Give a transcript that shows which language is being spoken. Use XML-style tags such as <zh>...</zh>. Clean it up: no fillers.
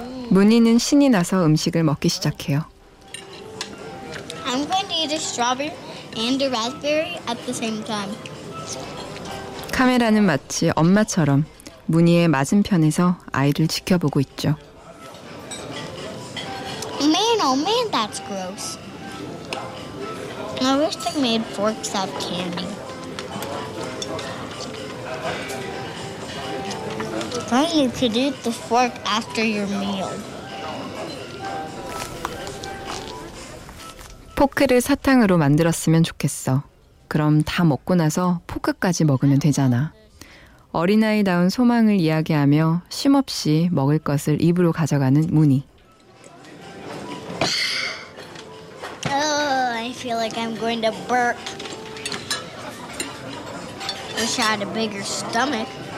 <ko>문희는 신이 나서 음식을 먹기 시작해요.</ko> <en>I'm going to eat a strawberry and a raspberry at the same time.</en> <ko>카메라는 마치 엄마처럼 문희의 맞은편에서 아이를 지켜보고 있죠.</ko> <en>Man, oh man, that's gross. I wish they made forks out of candy. Then you could eat the fork after your meal.</en> <ko>포크를 사탕으로 만들었으면 좋겠어. 그럼 다 먹고 나서 포크까지 먹으면 되잖아. 어린아이다운 소망을 이야기하며 쉼없이 먹을 것을 입으로 가져가는 문희.</ko> <en>Oh, I feel like I'm going to burp. Wish I had a bigger stomach.</en>